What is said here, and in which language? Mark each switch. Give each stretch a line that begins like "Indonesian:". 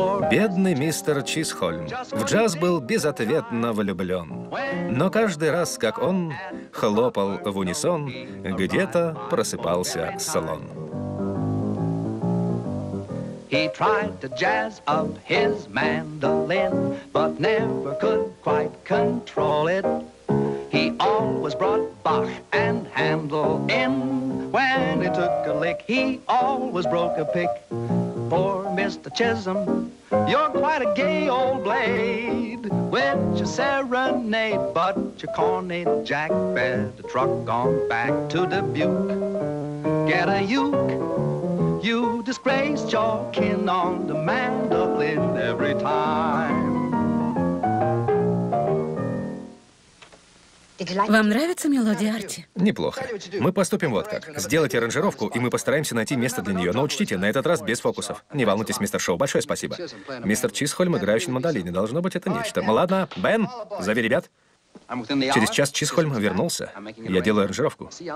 Russian: Бедный мистер Чизхольм в джаз был безответно влюблен, но каждый раз, как он хлопал в унисон, где-то просыпался слон.
English: He tried to jazz up his mandolin, but never could quite control it. He always brought Bach and Handel in. When he took a lick, he always broke a pick. Poor Mr. Chisholm, you're quite a gay old blade. With your serenade, but your corny jack fed the truck on back to Dubuque. Get a uke. You disgraced your kin on the mandolin every time.
Russian: Вам нравится мелодия, Арти? Неплохо. Мы поступим вот как. Сделайте аранжировку, и мы постараемся найти место для нее. Но учтите, на этот раз без фокусов. Не волнуйтесь, мистер Шоу, большое спасибо. Мистер Чизхольм, играющий на мандолине. Должно быть, это нечто. Ладно, Бен, зови ребят. Через час Чизхольм вернулся. Я делаю аранжировку.